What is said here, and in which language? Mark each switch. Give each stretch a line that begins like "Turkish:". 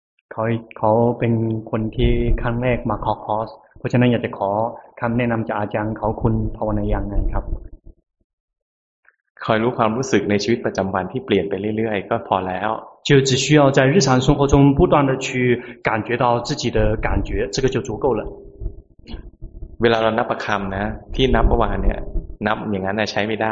Thai: เขาเป็นคนที่ครั้งแรกมาขอคอร์สเพราะฉะนั้นอยากจะขอคำแนะนำจากอาจารย์เขาคุณภาวนายังไงครับ คอยรู้ความรู้สึกในชีวิตประจำวันที่เปลี่ยนไปเรื่อยๆก็พอแล้ว
Chinese: 就只需要在日常生活中不断的去感觉到自己的感觉，这个就足够了。
Thai: เวลาเรานับประคำนะที่นับเมื่อวานเนี่ยนับอย่างนั้นน่ะใช้ไม่ได